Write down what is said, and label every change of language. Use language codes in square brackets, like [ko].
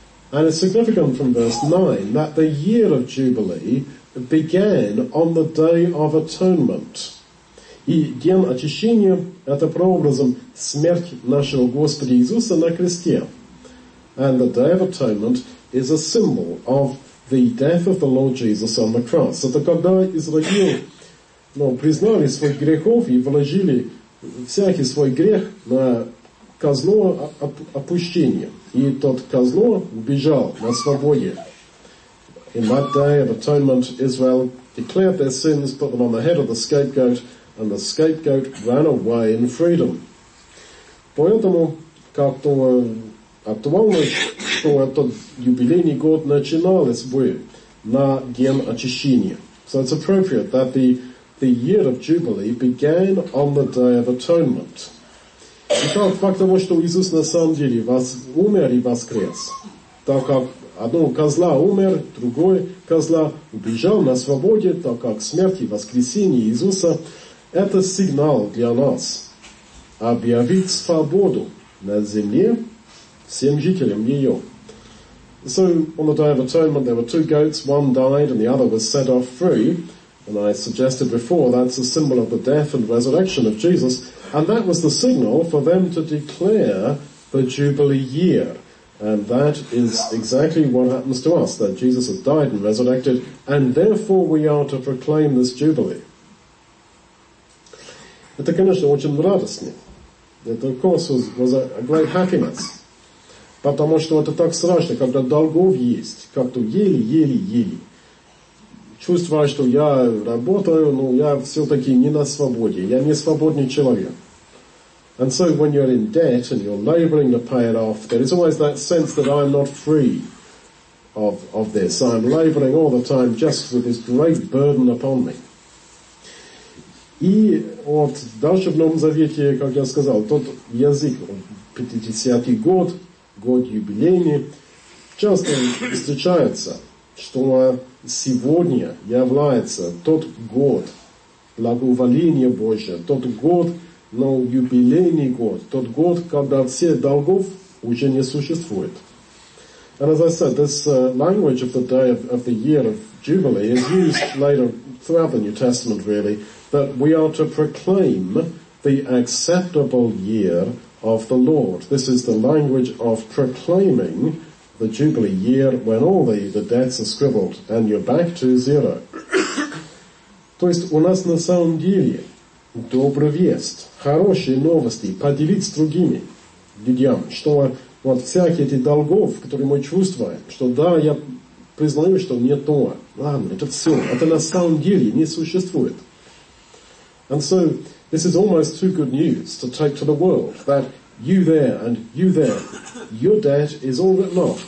[en] And it's significant from verse 9 that the year of Jubilee began on the Day of Atonement. [ru] И день очищения – это прообразом смерти нашего Господа Иисуса на кресте. [en] And the Day of Atonement is a symbol of the death of the Lord Jesus on the cross. [ru] Это когда Израиль, признали своих грехов и вложили всякий свой грех на козло опущения. И тот козло убежал на свободе. [en] In that Day of Atonement, Israel declared their sins, put them on the head of the scapegoat, and the scapegoat ran away in freedom. [ru] Поэтому, как-то актуально, что этот юбилейный год начинался бы на день очищения. [en] So it's appropriate that the year of Jubilee began on the Day of Atonement. [ru] Итак, факт того, что Иисус на самом деле умер и воскрес, так как одно козла умер, другое козла убежал на свободе, так как смерть и воскресение Иисуса – это сигнал для нас объявить свободу на земле всем жителям ее. [en] So, on the Day of Atonement, there were two goats. One died and the other was set off free. And I suggested before, that's a symbol of the death and resurrection of Jesus. And that was the signal for them to declare the Jubilee year. And that is exactly what happens to us, that Jesus has died and resurrected, and therefore we are to proclaim this Jubilee. [ru] Это, конечно, очень радостно. Это, [en] of course, was a great happiness. [ru] Потому что это так страшно, когда долгов есть, как-то еле-еле-еле. Чувствую, что я работаю, но я все-таки не на свободе. Я не свободный человек. [en] And so when you're in debt and you're laboring to pay it off, there is always that sense that I'm not free of this. I'm laboring all the time just with this great burden upon me. [ru] И вот дальше в Новом Завете, как я сказал, тот язык, 50-й год, год юбилейный, часто встречается, что сегодня является тот год благоволения Божия, тот год, юбилейный год, тот год, когда все долгов уже не существует. [en] And as I said, this language of the day of the year of Jubilee is used later throughout the New Testament, really, that we are to proclaim the acceptable year of the Lord. This is the language of proclaiming the Jubilee year when all the debts are scribbled and you're back to zero. [ru] То есть у нас на самом деле добрая весть, хорошие новости поделить с другими людьми, что вот всякие эти долгов, которые мы чувствуем, что да, я признаю, что не то. Ладно, это все. Это на самом деле не существует. [en] And so, this is almost too good news to take to the world, that you there and you there, your debt is all written off.